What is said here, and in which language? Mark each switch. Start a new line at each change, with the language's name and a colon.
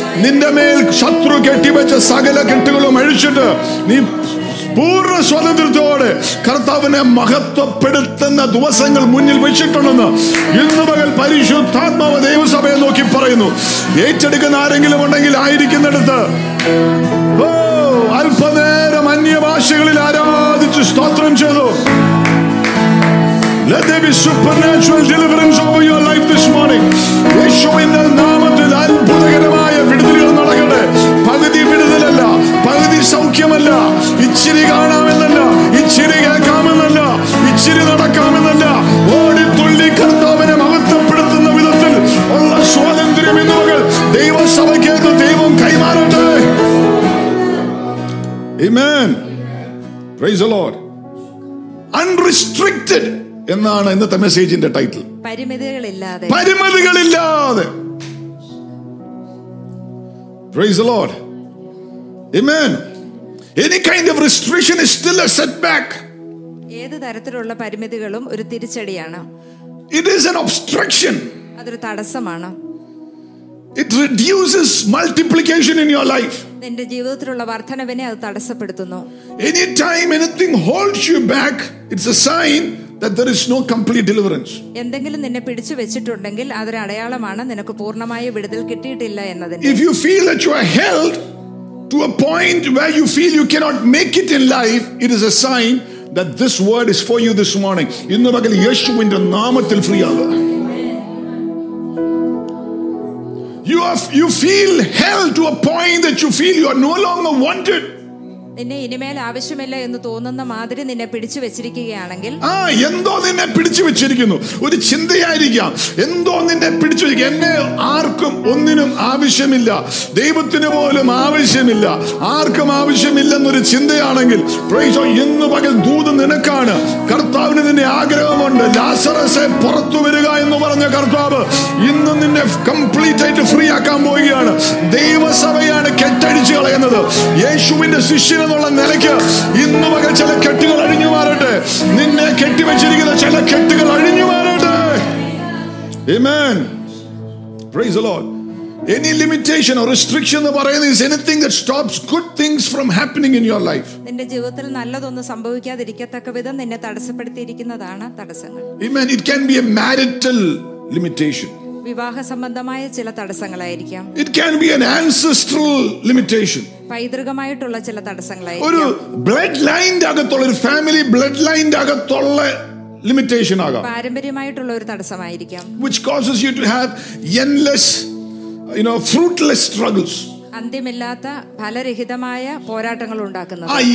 Malayalam: നിന്റെ മേൽ ശത്രു കെട്ടിവെച്ച സകല കെട്ടുകളും അഴിച്ചിട്ട് നീ പൂർണ്ണ സ്വാതന്ത്ര്യത്തോടെ കർത്താവിനെ മഹത്വപ്പെടുത്തുന്ന ദിവസങ്ങൾ മുന്നിൽ വെച്ചിട്ടുണ്ടെന്ന് ഇന്ന് പകൽ പരിശുദ്ധാത്മാവ് ദൈവസഭയെ നോക്കി പറയുന്നു. ഏറ്റെടുക്കുന്ന ആരെങ്കിലും ഉണ്ടെങ്കിൽ ആയിരിക്കുന്നിടത്ത് ഓ അല്പനേരം അന്യഭാഷകളിൽ ആരാധിച്ച് സ്തോത്രം ചെയ്തു.
English: Let there be supernatural deliverance over your life this morning. Yeshua in the name of the
Malayalam: അത്ഭുതകരമായി വിടുതലുകൾ നടക്കട്ടെ. പകുതി വിടുതലല്ല, പകുതി സൗഖ്യമല്ല, ഇച്ചിരി കാണാമെന്നല്ല, ഇച്ചിരി കേൾക്കാമെന്നല്ല, ഇച്ചിരി നടക്കാമെന്നല്ല, ഓടി തുള്ളി കർത്താവിനെ മഹത്വപ്പെടുത്തുന്ന വിധത്തിൽ ഉള്ള സ്വാതന്ത്ര്യം ഇന്ന് മകൾ ദൈവസഭയ്ക്ക് ദൈവം കൈമാറട്ടെ.
English: Amen. Praise the Lord. Unrestricted
Malayalam: എന്നാണ് ഇന്നത്തെ മെസ്സേജിന്റെ title. പരിമിതികളില്ലാതെ.
English: Praise the Lord. Amen. Any kind of restriction is still a setback.
Malayalam: ഏത് തരത്തിലുള്ള പരിമിതികളും ഒരു തിരിച്ചടിയാണ്.
English: It is an obstruction.
Malayalam: അതൊരു തടസ്സമാണ്.
English: It reduces multiplication in your life.
Malayalam: നിന്റെ ജീവിതത്തിലുള്ള വർദ്ധനവിനെ അത് തടസ്സപ്പെടുത്തുന്നു.
English: Any time anything holds you back, it's a sign that there is no complete deliverance.
Malayalam: എന്തെങ്കിലും നിന്നെ പിടിച്ചു വെച്ചിട്ടുണ്ടെങ്കിൽ അതൊരു അടയാളമാണ് നിനക്ക് പൂർണ്ണമായ വിടുതൽ കിട്ടിയിട്ടില്ല എന്നതിന്.
English: If you feel that you are held to a point where you feel you cannot make it in life, it is a sign that this word is for you this morning.
Malayalam: ഇന്ന് പകൽ യേശുവിന്റെ നാമത്തിൽ free ആവുക.
English: You feel held to a point that you feel you are no longer wanted.
Malayalam: നിന്നെ ഇനിമേൽ ആവശ്യമില്ല എന്ന് തോന്നുന്ന മാതിരി നിന്നെ പിടിച്ചു വെച്ചിരിക്കുകയാണെങ്കിൽ, ആ എന്തോ നിന്നെ പിടിച്ചു വെച്ചിരിക്കുന്നു, ഒരു ചിന്തയായിരിക്കാം, എന്തോ നിന്നെ പിടിച്ചു വെച്ചിരിക്കും, എന്നെ ആർക്കും ഒന്നിനും ആവശ്യമില്ല, ദൈവത്തിന് പോലും ആവശ്യമില്ല, ആർക്കും ആവശ്യമില്ലെന്നൊരു ചിന്തയാണെങ്കിൽ,
English: praise the Lord,
Malayalam: ദൂതൻ നിനക്കാണ് കർത്താവ്. കർത്താവിന് നിന്നെ ആഗ്രഹമുണ്ട്. ലാസറസെ പുറത്തു വരിക എന്ന് പറഞ്ഞ കർത്താവ് ഇന്ന് നിന്നെ കംപ്ലീറ്റ് ആയിട്ട് ഫ്രീ ആക്കാൻ പോവുകയാണ്. ദൈവസഭയാണ് കെട്ടടിച്ചു കളയുന്നത്. യേശുവിന്റെ ശിഷ്യൻ എന്നുള്ള നിലയ്ക്ക് ഇന്ന് മകൻ ചില കെട്ടുകൾ അഴിഞ്ഞു മാറട്ടെ. നിന്നെ കെട്ടിവെച്ചിരിക്കുന്ന ചില കെട്ടുകൾ അഴിഞ്ഞു മാറട്ടെ. ആമേൻ.
English: Praise the Lord. Any limitation or restriction of what is anything that stops good things from happening in your life.
Malayalam: നിന്റെ ജീവിതത്തിൽ നല്ലതൊന്നും സംഭവിക്കാതിരിക്കത്തക്ക വിധം നിന്നെ തടസ്സപ്പെടുത്തിയിരിക്കുന്നതാണ് തടസ്സങ്ങൾ.
English: Amen. It can be a marital limitation.
Malayalam: വിവാഹ സംബന്ധമായ ചില തടസ്സങ്ങളായിരിക്കാം.
English: It can be an ancestral limitation.
Malayalam: പൈതൃകമായിട്ടുള്ള ചില തടസ്സങ്ങളായിരിക്കാം. ഒരു ബ്ലഡ് ലൈനിന്റെ അകത്തുള്ള ഒരു ഫാമിലി ബ്ലഡ് ലൈനിന്റെ അകത്തുള്ള ലിമിറ്റേഷൻ ആകാം. പാരമ്പര്യമായിട്ടുള്ള ഒരു തടസ്സമായിരിക്കാം.
English: Which causes you to have endless, you know, fruitless struggles.
Malayalam: അന്ത്യമില്ലാത്ത ഫലരഹിതമായ പോരാട്ടങ്ങൾ ഉണ്ടാക്കുന്നു.